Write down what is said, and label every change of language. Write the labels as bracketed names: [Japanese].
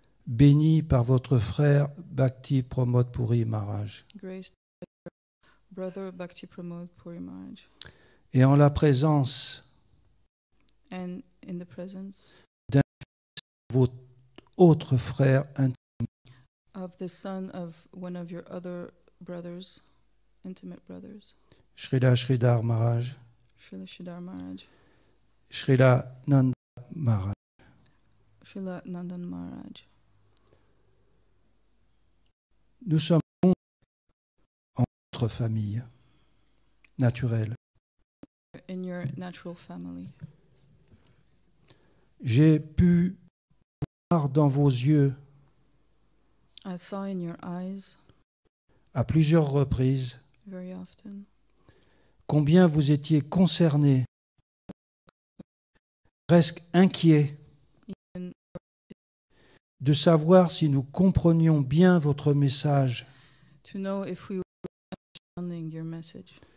[French] béni par votre frère Bhakti Pramod Puri Maharaj. [English] Graced by your brother Bhakti Pramod Puri Maharaj. [French] Et en la présence [English] and in the presence [French] d'un votre autre frère intime, [English] of the son of one of your other brothers, intimate brothers, [French] Srila Sridhar Maharaj, [English] Srila Sridhar Maharaj, [French] Srila Nanda Maharaj, [English] Srila Nandan Maharaj. [French] Nous sommes en notre famille naturelle. [English] In your natural family. [French] J'ai pu voir dans vos yeux [English] I saw in your eyes [French] à plusieurs reprises [English] very often [French] combien vous étiez concerné presque inquiet de savoir si nous comprenions bien votre message, [English] to know if we were understanding your message